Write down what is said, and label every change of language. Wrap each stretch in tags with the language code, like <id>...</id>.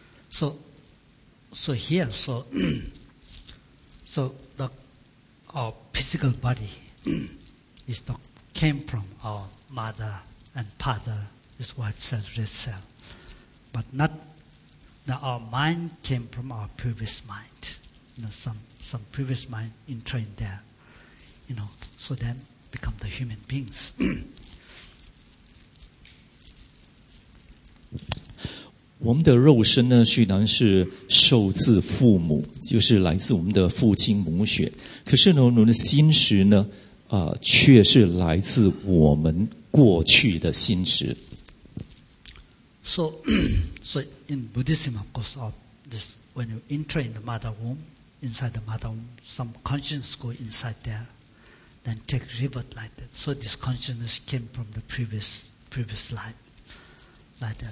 <en>So, our physical body is not, came from our mother and father, is white cell, red cell. But not, now our mind came from our previous mind. You know, some previous mind entrained there. You know, so then,become the human beings.</en> <zh>我们的肉身呢，虽然是受自父母，就是来自我们的父亲母血，可是呢，我们的心识呢，却是来自我们过去的心识。</zh> <en>So in Buddhism, of course, of this, when you enter in the mother womb, inside the mother womb, some consciousness go inside there. And take rebirth like that. So this consciousness came from the previous life, like that.</en>